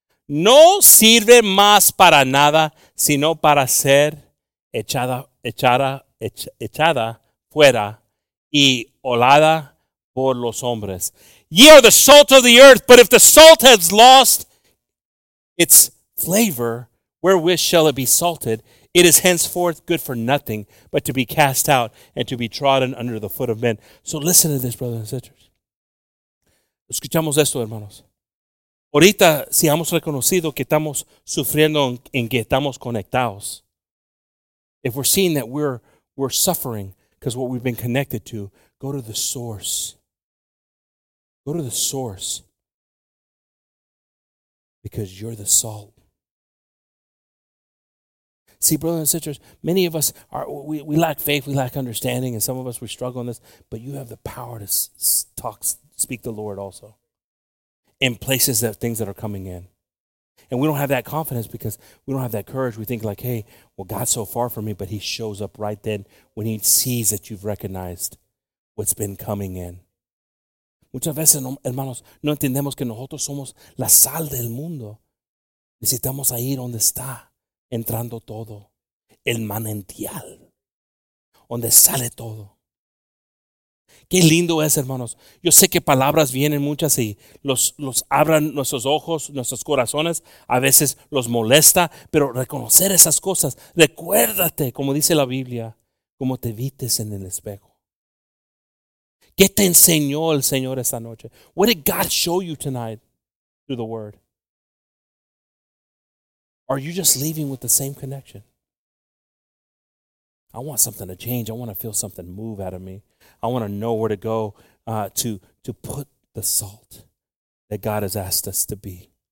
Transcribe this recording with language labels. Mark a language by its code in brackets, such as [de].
[es] No sirve más para nada, sino para ser echada fuera y olada por los hombres. [en] Ye are the salt of the earth, but if the salt has lost its flavor, wherewith shall it be salted? It is henceforth good for nothing but to be cast out and to be trodden under the foot of men. So listen to this, brothers and sisters. [es] Escuchamos esto, hermanos. Ahorita, si hemos reconocido que estamos sufriendo en que estamos conectados, [en] if we're seeing that we're suffering because what we've been connected to, go to the source. Go to the source. Because you're the salt. See, brothers and sisters, many of us, we lack faith, we lack understanding, and some of us, we struggle in this, but you have the power to speak the Lord also in places that things that are coming in. And we don't have that confidence because we don't have that courage. We think like, hey, well, God's so far from me, but he shows up right then when he sees that you've recognized what's been coming in. [es] Muchas veces, hermanos, no entendemos que nosotros somos la sal del mundo. Necesitamos ahí donde está entrando todo, el manantial, donde sale todo. Qué lindo es, hermanos. Yo sé que palabras vienen muchas y los abran nuestros ojos, nuestros corazones. A veces los molesta, pero reconocer esas cosas. Recuérdate, como dice la Biblia, como te vistes en el espejo. ¿Qué te enseñó el Señor esta noche? [en] What did God show you tonight through the word? Are you just leaving with the same connection? I want something to change. I want to feel something move out of me. I want to know where to go to put the salt that God has asked us to be.